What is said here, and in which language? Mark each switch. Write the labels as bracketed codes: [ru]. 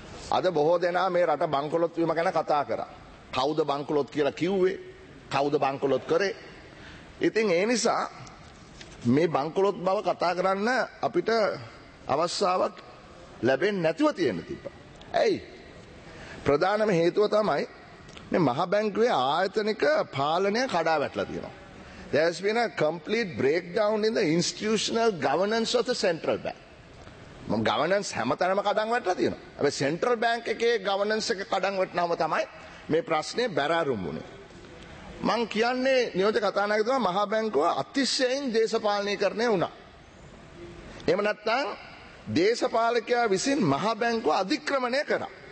[si] අද බොහෝ දෙනා මේ රට බංකොලොත් වීම ගැන කතා කරා කවුද බංකොලොත් කියලා කිව්වේ කවුද බංකොලොත් කරේ ඉතින් ඒ නිසා මේ බංකොලොත් බව කතා කරන්න අපිට අවස්ථාවක් ලැබෙන්නේ නැතුව තියෙන තිබ්බා ඇයි ප්‍රධානම හේතුව තමයි මේ මහ බැංකුවේ ආයතනික පාලනය කඩා වැටලා තියෙනවා. [en] There has been a complete breakdown in the institutional governance of the central bank. [si] මම governance හැමතැනම කඩන් වැටලා තියෙනවා. හැබැයි central bank එකේ governance එක කඩන් වැටෙනවම තමයි මේ ප්‍රශ්නේ බැරරුම් වුනේ. මම කියන්නේ නියෝජක කතානායකතුමා මහ බැංකුව අතිශයින් දේශපාලනීකරණය වුණා. එහෙම නැත්නම් දේශපාලකයා විසින් මහ බැංකුව අධික්‍රමණය කරා.